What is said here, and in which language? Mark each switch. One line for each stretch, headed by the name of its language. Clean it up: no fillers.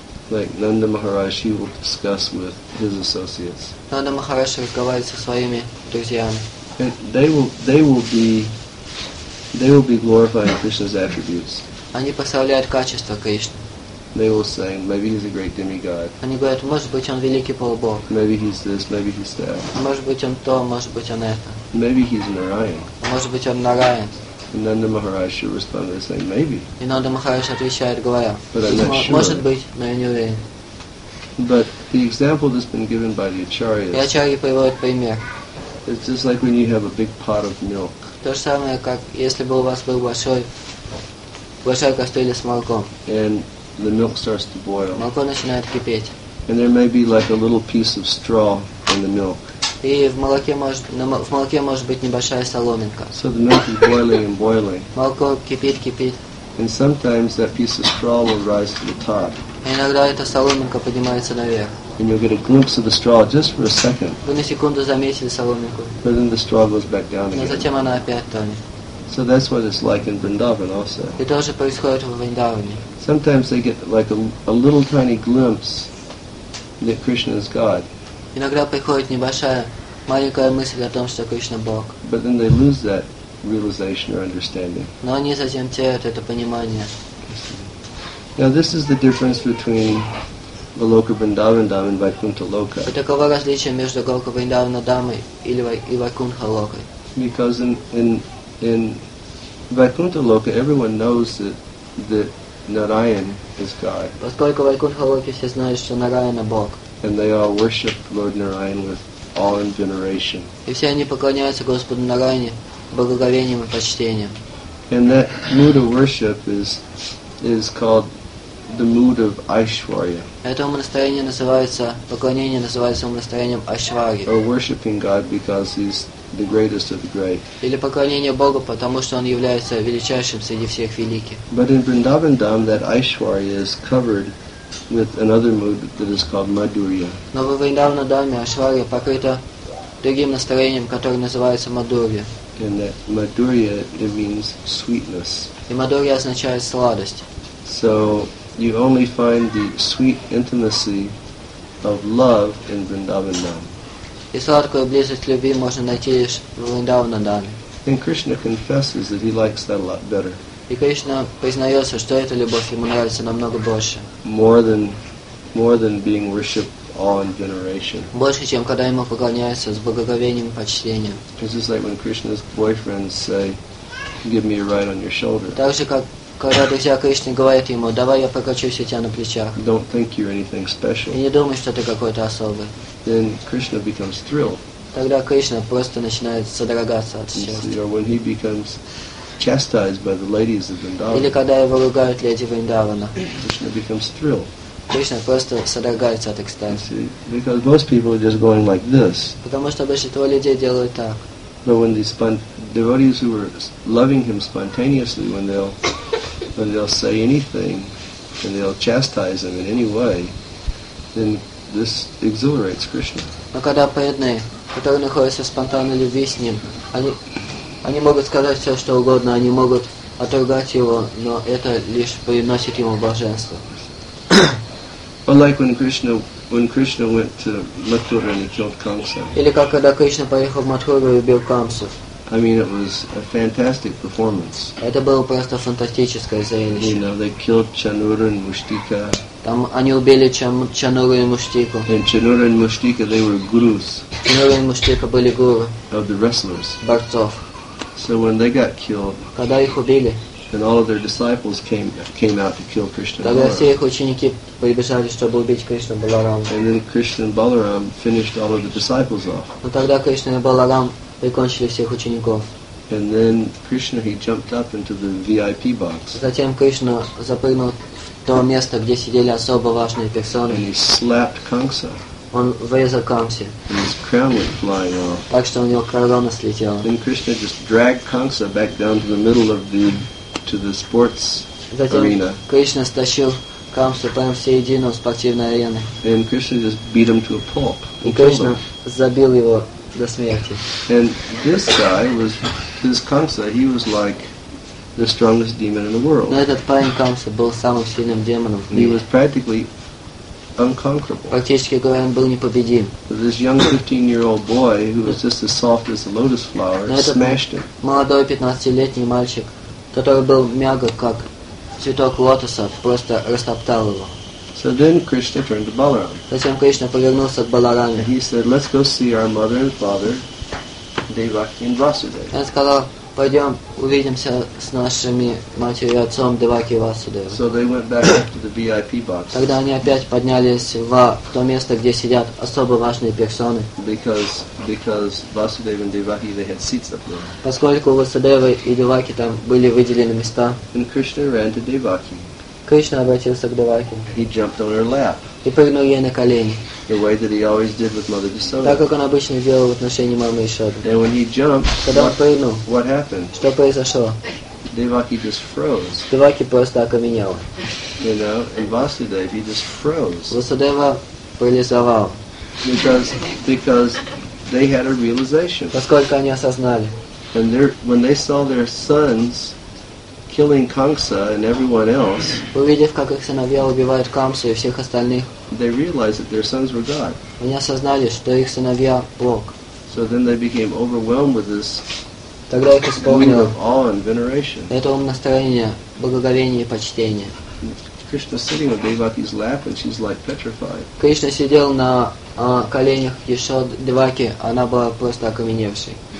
English: Like Nanda Maharaj, he will discuss with his associates.
Russian: Nanda Maharaj разговаривает со своими друзьями.
English: They will be glorifying Krishna's attributes.
Russian: Они прославляют качества Кришны.
English: They will say, maybe he's a great demigod.
Russian: Они говорят, может быть он великий полубог.
English: Maybe he's this, maybe he's that.
Russian: Может быть он то, может быть он это.
English: Maybe he's Narayan.
Russian: Может быть он Нараян.
English: And Nanda Maharaj should respond by saying, maybe.
Russian: И Нанда Махарадж отвечает, говоря,
English: but I'm not sure.
Russian: Может быть, но я не уверен.
English: But the example that's been given by the Acharyas.
Russian: И Ачарьи приводят пример.
English: It's just like when you have a big pot of milk.
Russian: То же самое, как если бы у вас был большой кастрюля с молоком.
English: And the milk starts to boil.
Russian: Молоко начинает кипеть.
English: And there may be like a little piece of straw in the milk.
Russian: И в молоке может быть небольшая соломинка.
English: So the milk is boiling and boiling.
Russian: Молоко кипит.
English: And sometimes that piece of straw will rise to the top.
Russian: И иногда эта соломинка поднимается наверх.
English: And you'll get a glimpse of the straw just for a second.
Russian: Вы на секунду заметили соломинку.
English: But then the straw goes back down again.
Russian: Но затем она опять тонет.
English: So that's what it's like in Vrindavan also.
Russian: И тоже происходит в Вриндаване.
English: Sometimes they get like a little tiny glimpse that Krishna is God.
Russian: Иногда приходит небольшая, маленькая мысль о том, что Кришна Бог.
English: But then they lose that realization or understanding.
Russian: Но они затем теряют это понимание.
English: Now this is the difference between Valoka Vrindavan Dham and Vaikuntha Loka.
Russian: И таково различие между Голока Вриндавана Дамой и Вайкунха Локой.
English: Because in Vaikuntha Loka, everyone knows that Narayan is God.
Russian: Поскольку в Вайкунтха Локе все знают, что Нараяна Бог.
English: And they all worship Lord Narayan with awe and veneration.
Russian: И все они поклоняются Господу Нараяне благоговением и почтением.
English: And that mood of worship is called the mood of Aishwarya.
Russian: Это умонастроение называется поклонение называется умонастроением Айшварьи.
English: Or worshiping God because He's the greatest of the great.
Russian: Или поклонение Богу, потому что Он является величайшим среди всех великих.
English: But in Vrindavan Dham, that Aishwarya is covered with another mood that is called Madhurya.
Russian: Но во Вриндаван Дхаме Айшварья покрыта другим настроением, которое называется Мадхурья.
English: And that Madhurya, it means sweetness.
Russian: И Мадхурья означает сладость.
English: So you only find the sweet intimacy of love in Vrindavan Dham.
Russian: И сладкую близость любви можно найти лишь в Вриндавана Даме.
English: And Krishna confesses that he likes that a lot better.
Russian: И Кришна признается, что эта любовь ему нравится намного больше.
English: More than being worshipped awe and veneration.
Russian: Больше, чем когда ему поклоняются с благоговением и почтением.
English: This is like when Krishna's boyfriends say, "Give me a ride on your shoulder."
Russian: Так же, как когда друзья Кришны говорят ему, "Давай я покачусь у тебя на плечах."
English: Don't think you're anything special.
Russian: И не думай, что ты какой-то особый.
English: Then Krishna becomes thrilled.
Russian: Тогда Кришна просто начинает содрогаться от счастья.
English: Or when he becomes chastised by the ladies of Vrindavan.
Russian: Или когда его ругают леди Вриндавана.
English: Krishna becomes thrilled.
Russian: Кришна просто содрогается от экстаза.
English: Because most people are just going like this.
Russian: Потому что большинство людей делают так.
English: But when the devotees who are loving him spontaneously, when they'll say anything, and they'll chastise him in any way, then this exhilarates Krishna.
Russian: Но когда преданные, которые находятся в спонтанной любви с ним, они могут сказать все, что угодно, они могут отругать его, но это лишь приносит ему блаженство.
English: Or like when Krishna went to Mathura and he killed Kamsa.
Russian: Или как когда Кришна поехал в Матхуру и убил Камсу.
English: I mean, it was a fantastic performance.
Russian: Это было просто фантастическое зрелище.
English: You know, they killed Chanura and Mushtika.
Russian: Там они убили Чануру и Муштику.
English: And Chanura and Mushtika, they were gurus.
Russian: Chanura и Муштика были гуру.
English: Of the wrestlers.
Russian: Борцов.
English: So when they got killed.
Russian: Когда их убили.
English: And all of their disciples came out to kill Krishna and Balaram.
Russian: Тогда все их ученики прибежали, чтобы убить Кришну Баларама.
English: And then Krishna and Balaram finished all of the disciples off.
Russian: Но тогда Кришна и Баларам прикончили всех учеников.
English: And then Krishna, he jumped up into the VIP box.
Russian: Затем Кришна запрыгнул в то место, где сидели особо важные персоны.
English: And he slapped Kamsa.
Russian: Он врезал Камсе.
English: And his crown went flying off.
Russian: Так что у него корона слетела.
English: Then Krishna just dragged Kamsa back down to the middle of the sports arena.
Russian: Кришна стащил Камсу прямо в середину спортивной арены.
English: And Krishna just beat him to a pulp.
Russian: И Кришна забил его до смерти.
English: And this guy was this Kamsa. He was like the strongest demon in the world.
Russian: Но этот парень Камса был самым сильным демоном в мире.
English: He was practically unconquerable.
Russian: Практически говоря, он был непобедим.
English: This young 15-year-old boy, who was just as soft as a lotus flower, smashed him.
Russian: Молодой 15-летний мальчик, который был мягок, как цветок лотоса, просто растоптал его.
English: So then Krishna turned to Balaram.
Russian: Затем Кришна повернулся к Баларане.
English: And he said, "Let's go see our mother and father, Devaki and Vasudeva."
Russian: Он сказал, "Пойдем, увидимся с нашими матерью и отцом Деваки и Васудевой."
English: So they went back to the VIP box.
Russian: Тогда они опять поднялись в то место, где сидят особо важные персоны.
English: Because Vasudeva and Devaki, they had seats up there.
Russian: Поскольку Васудева и Деваки там были выделены места.
English: And Krishna ran to Devaki.
Russian: Кришна обратился к Деваке.
English: He jumped on her lap.
Russian: И прыгнул ей на колени.
English: The way that he always did with Mother Yashoda.
Russian: Так как он обычно делал в отношении мамы Ишоды.
English: And when he jumped,
Russian: когда он прыгнул,
English: what happened?
Russian: Что произошло?
English: Деваки just froze.
Russian: Деваки просто окаменел.
English: You know, and Vasudeva, he just froze.
Russian: Васудева парализовал.
English: Because they had a realization.
Russian: Поскольку они осознали.
English: And when they saw their sons killing Kamsa and everyone else.
Russian: Увидев, как их сыновья убивают Камсу и всех остальных.
English: They realized that their sons were God.
Russian: Они осознали, что их сыновья Бог.
English: So then they became overwhelmed with this.
Russian: Тогда их исполнило
English: awe and veneration.
Russian: Это умонастроение, благоговение и почтение.
English: Krishna sitting on Devaki's lap and she's like petrified.
Russian: Кришна сидел на коленях Ешоды Деваки, она была просто окаменевшей.